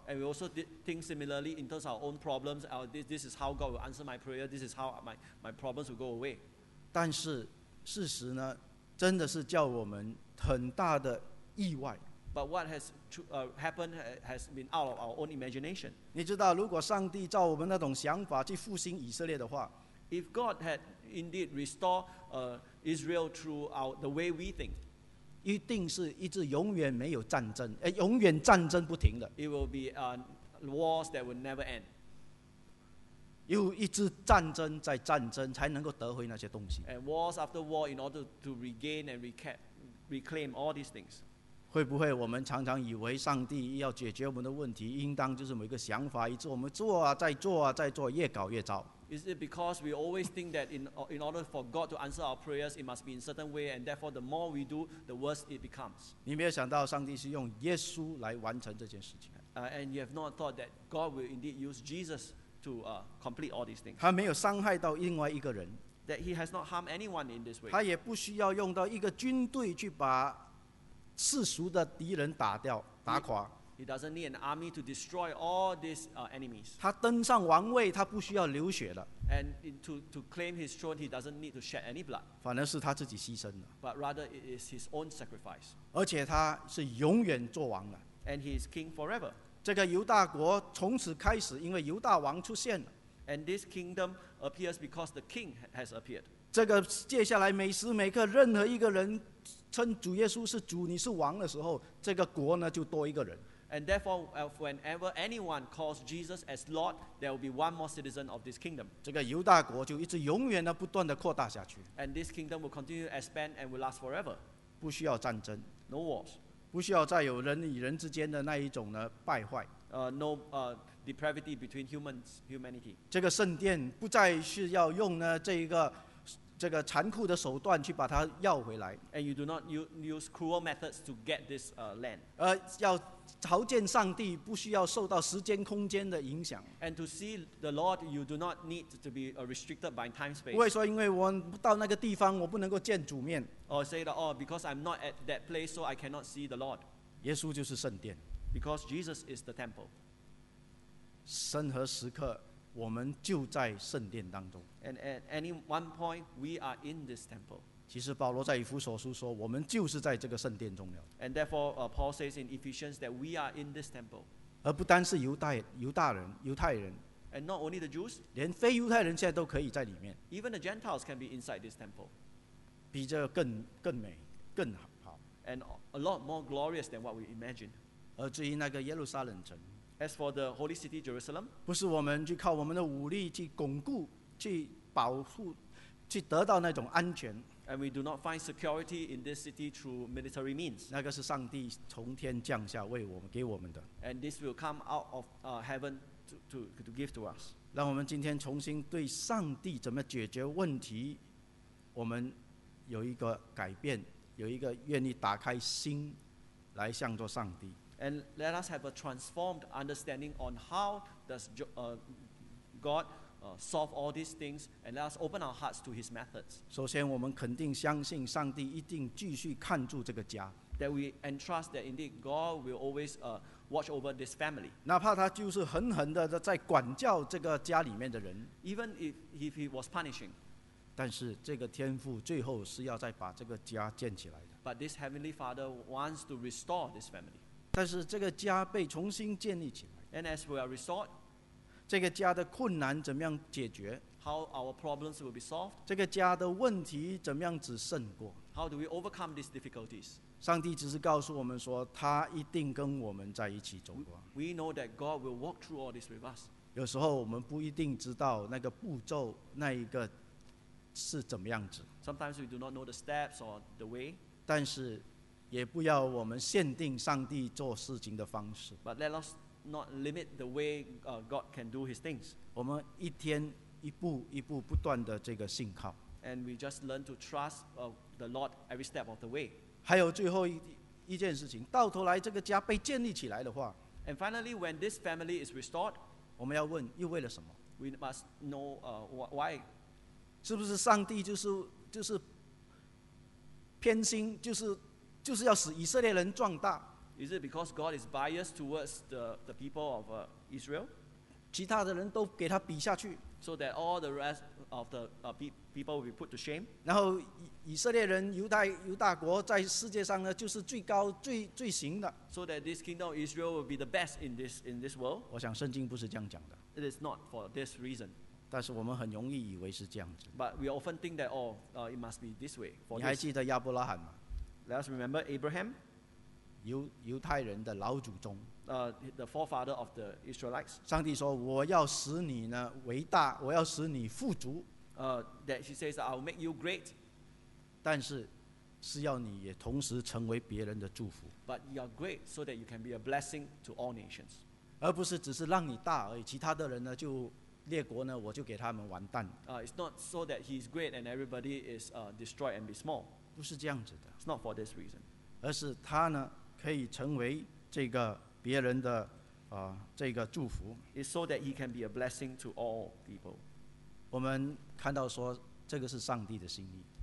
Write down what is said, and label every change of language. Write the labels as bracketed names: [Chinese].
[English] And we also think similarly in terms of our own problems. This is how God will answer my prayer. This is how my problems will go away. [Chinese] 但是事实呢，真的是叫我们很大的意外。 [English] But what has happened has been out of our own imagination. [Chinese] 你知道，如果上帝照我们那种想法去复兴以色列的话， [English] If God had indeed restored Israel through the way we think, [Chinese] 一定是一直永远没有战争，永远战争不停的。 [English] It will be wars that will never end. [Chinese] 又一直战争在战争，才能够得回那些东西。 [English] And wars after war in order to regain and reclaim all these things. [Chinese] 会不会我们常常以为上帝要解决我们的问题，应当就是某一个想法，一直我们做啊，再做啊，再做，越搞越糟。 [English] Is it because we always think that in order for God to answer our prayers, it must be in certain way, and therefore the more we do, the worse it becomes? [Chinese] 你没有想到上帝是用耶稣来完成这件事情。 [English] And you have not thought that God will indeed use Jesus to complete all these things. [Chinese] 他没有伤害到另外一个人。 [English] That he has not harmed anyone in this way. [Chinese] 他也不需要用到一个军队去把世俗的敌人打掉打垮。 [English] He doesn't need an army to destroy all these enemies. [Chinese] 他登上王位他不需要流血了。 [English] And to claim his throne he doesn't need to shed any blood. [Chinese] 反而是他自己牺牲了。 [English] But rather it is his own sacrifice. [Chinese] 而且他是永远做王了。 [English] And he is king forever. [Chinese] 这个犹大国从此开始因为犹大王出现了。 [English] And this kingdom appears because the king has appeared. [Chinese] 这个接下来每时每刻任何一个人称主耶稣是主，你是王的时候，这个国呢就多一个人。 [English] And therefore, whenever anyone calls Jesus as Lord, there will be one more citizen of this kingdom. [Chinese] 这个犹大国就一直永远的不断的扩大下去。 [English] And this kingdom will continue to expand and will last forever. [Chinese] 不需要战争 [English] ，no wars. [Chinese] 不需要再有人与人之间的那一种呢败坏。 [English] Depravity between humanity. [Chinese] 这个圣殿不再是要用呢这一个。这个残酷的手段去把它要回来。 [English] And you do not use cruel methods to get this land. [Chinese] 而要朝见上帝，不需要受到时间空间的影响。 [English] And to see the Lord, you do not need to be restricted by time space. [Chinese] 不会说因为我到那个地方，我不能够见主面。 [English] Or say that, oh, because I'm not at that place, so I cannot see the Lord. [Chinese] 耶稣就是圣殿。 [English] Because Jesus is the temple. [Chinese] 任何时刻。我们就在圣殿当中。 [English] And at any one point, we are in this temple. [Chinese] 其实保罗在以弗所书说，我们就是在这个圣殿中了。 [English] And therefore, Paul says in Ephesians that we are in this temple. [Chinese] 而不单是犹大人、犹太人。 [English] And not only the Jews. [Chinese] 连非犹太人现在都可以在里面。 [English] Even the Gentiles can be inside this temple. [Chinese] 比这更美、更好。 [English] And a lot more glorious than what we imagined. [Chinese] 而至于那个耶路撒冷城。 [English] As for the holy city Jerusalem, [Chinese] 不是我们去靠我们的武力去巩固、去保护、去得到那种安全。 [English] And we do not find security in this city through military means. [Chinese] 那个是上帝从天降下为我们给我们的。 [English] And this will come out of heaven to give to us. [Chinese] 让我们今天重新对上帝怎么解决问题，我们有一个改变，有一个愿意打开心来向着上帝。 [English] And let us have a transformed understanding on how does God solve all these things, and let us open our hearts to His methods. [Chinese] 首先，我们肯定相信上帝一定继续看住这个家。 [English] That we entrust that indeed God will always watch over this family. [Chinese] 哪怕他就是狠狠的在管教这个家里面的人。 [English] Even if he was punishing. [Chinese] 但是这个天父最后是要再把这个家建起来的。 [English] But this heavenly Father wants to restore this family. [Chinese] 但是这个家被重新建立起来。 [English] And as we are restored, [Chinese] 这个家的困难怎么样解决？ [English] How our problems will be solved? [Chinese] 这个家的问题怎么样子胜过？ [English] How do we overcome these difficulties? [Chinese] 上帝只是告诉我们说，他一定跟我们在一起走过。 [English] We know that God will walk through all this with us. [Chinese] 有时候我们不一定知道那个步骤，那一个是怎么样子。 [English] Sometimes we do not know the steps or the way. [Chinese] 但是也不要我们限定上帝做事情的方式。 [English] But let us not limit the way God can do His things. [Chinese] 我们一天一步一步不断的这个信靠。 [English] And we just learn to trust the Lord every step of the way. [Chinese] 还有最后一件事情，到头来这个家被建立起来的话。 [English] And finally, when this family is restored, [Chinese] 我们要问又为了什么 [English] ？We must know why. [Chinese] 是不是上帝就是偏心，就是要使以色列人壮大。 [English] Is it because God is biased towards the people of Israel? [Chinese] 其他的人都给他比下去。 [English] So that all the rest of the people will be put to shame. [Chinese] 然后以色列人犹大国在世界上呢，就是最高最行的。 [English] So that this kingdom of Israel will be the best in this world. [Chinese] 我想圣经不是这样讲的。 [English] It is not for this reason. [Chinese] 但是我们很容易以为是这样子。 [English] But we often think that it must be this way. [Chinese] 你还记得亚伯拉罕吗？ [English] Let us remember Abraham, [Chinese] 犹太人的老祖宗。 [English] The forefather of the Israelites. [Chinese] 上帝说：“我要使你呢伟大，我要使你富足。” [English] That he says, I will make you great. [Chinese] 但是要你也同时成为别人的祝福。 [English] But you are great so that you can be a blessing to all nations. [Chinese] 而不是只是让你大而已，其他的人呢就列国呢我就给他们完蛋。 [English] It's not so that he is great and everybody is destroyed and be small. [Chinese] 不是这样子的。 [English] It's not for this reason. [Chinese] 而是他呢可以成为这个别人的这个祝福。 [English] It's so that he can be a blessing to all people. [Chinese] 我们看到说这个是上帝的心意。